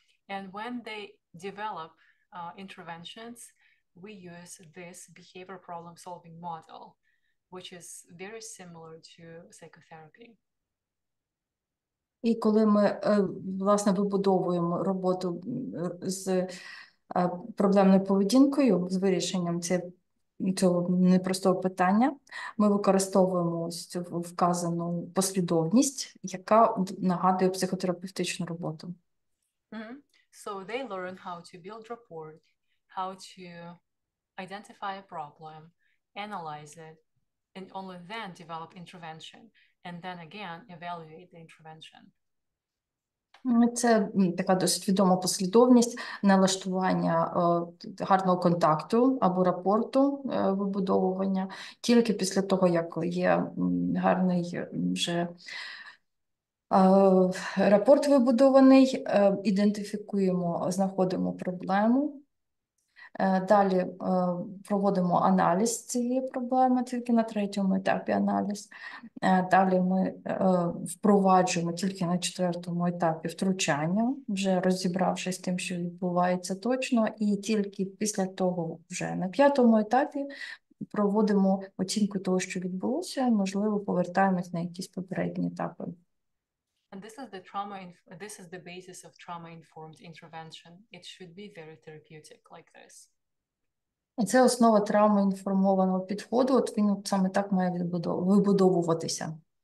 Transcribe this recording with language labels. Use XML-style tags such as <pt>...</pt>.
<en>And when they develop interventions, we use this behavior problem solving model, which is very similar to psychotherapy.</en> <uk>І коли ми, власне, вибудовуємо роботу з проблемною поведінкою, з вирішенням цього непростого питання, ми використовуємо ось цю вказану послідовність, яка нагадує психотерапевтичну роботу.</uk> <en>So they learn how to build rapport, how to identify a problem, analyze it, and only then develop intervention, and then again evaluate the intervention.</en> <uk>Це така досить відома послідовність налаштування гарного контакту або рапорту вибудовування. Тільки після того, як є гарний вже рапорт вибудований, ідентифікуємо, знаходимо проблему. Далі проводимо аналіз цієї проблеми, тільки на третьому етапі аналіз. Далі ми впроваджуємо тільки на четвертому етапі втручання, вже розібравшись з тим, що відбувається точно, і тільки після того, вже на п'ятому етапі, проводимо оцінку того, що відбулося, і, можливо, повертаємось на якісь попередні етапи.</uk> <en>And this is the basis of trauma-informed intervention. It should be very therapeutic like this.</en> <uk>І це основа травмоінформованого підходу, от він саме так має вибудовуватися.</uk>